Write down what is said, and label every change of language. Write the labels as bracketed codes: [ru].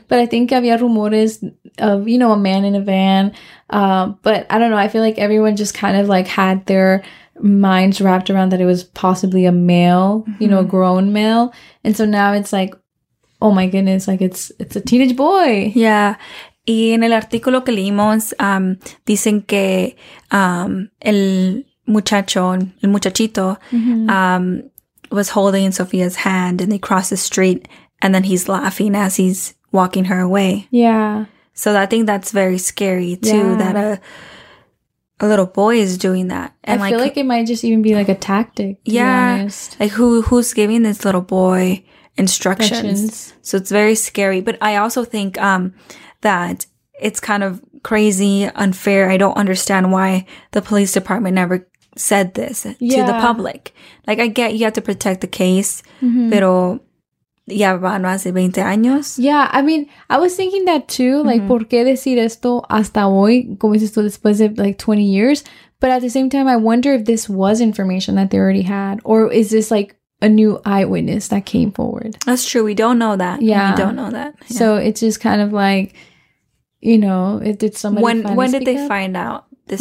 [en] But I think [es] había rumores [en] of, you know, a man in a van. But I don't know. I feel like everyone just kind of like had their minds wrapped around that it was possibly a male, mm-hmm. you know, a grown male. And so now it's like, oh my goodness, like it's a teenage boy. Yeah. [es] Y en el artículo que leímos, dicen que el muchacho, el muchachito, mm-hmm. [en] Was holding Sofía's hand and they cross the street and then he's laughing as he's walking her away. Yeah. So I think that's very scary too, yeah. that a little boy is doing that. And I feel like it might just even be like a tactic. To yeah. be honest. Like who's giving this little boy instructions? So it's very scary. But I also think that it's kind of crazy, unfair. I don't understand why the police department never said this yeah. to the public. Like, I get you have to protect the case, mm-hmm. [es] pero ya van más de 20 años. [en] Yeah, I mean, I was thinking that too. [es] Like, mm-hmm. ¿por qué decir esto hasta hoy? Como dices tú, después de, [en] like, 20 years. But at the same time, I wonder if this was information that they already had. Or is this, like, a new eyewitness that came forward? That's true. We don't know that. Yeah. We don't know that. Yeah. So it's just kind of like... you know, it did somebody when did they up? Find out this?